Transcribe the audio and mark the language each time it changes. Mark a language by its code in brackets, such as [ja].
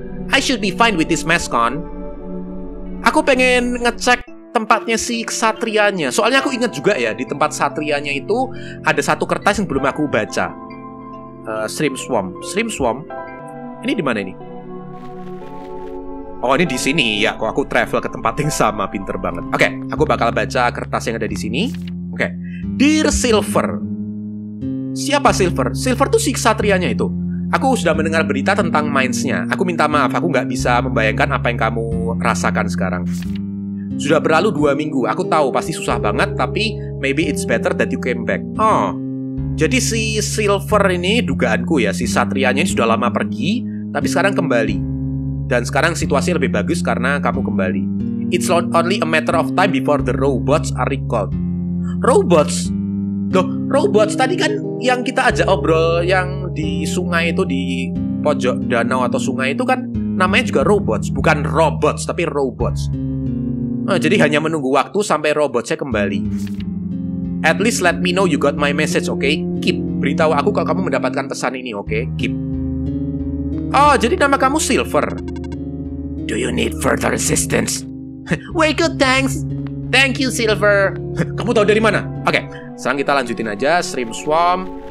[en] I should be fine with this mask on. [id] Aku pengen ngecek tempatnya si ksatrianya. Soalnya aku ingat juga ya, di tempat satrianya itu ada satu kertas yang belum aku baca. Shrimp swamp. Ini di mana ini? Oh, ini di sini. Ya, kok aku travel ke tempat yang sama, pinter banget. Oke, aku bakal baca kertas yang ada di sini. Oke. Dear Silver. Siapa Silver? Silver tuh si ksatrianya itu. Aku sudah mendengar berita tentang Mainz-nya. Aku minta maaf, aku nggak bisa membayangkan apa yang kamu rasakan sekarang. Sudah berlalu 2 minggu. Aku tahu pasti susah banget, tapi [en] maybe it's better that you came back. [id] Oh, jadi si Silver ini, dugaanku ya, si satrianya ini sudah lama pergi, tapi sekarang kembali. Dan sekarang situasi lebih bagus karena kamu kembali. [en] It's not only a matter of time before the robots are recalled. [id] Robots? Loh, robots tadi kan yang kita ajak obrol yang di sungai itu, di pojok danau atau sungai itu kan namanya juga robots, bukan robots tapi robots. Nah, jadi hanya menunggu waktu sampai robotnya kembali. [en] At least let me know you got my message, okay? Keep. [id] Beritahu aku kalau kamu mendapatkan pesan ini, okay? Keep. Oh, jadi nama kamu Silver. [en] Do you need further assistance? Way good, thanks. Thank you, Silver. [id] Kamu tahu dari mana? Okay, sekarang kita lanjutin aja. Shrimp Swamp.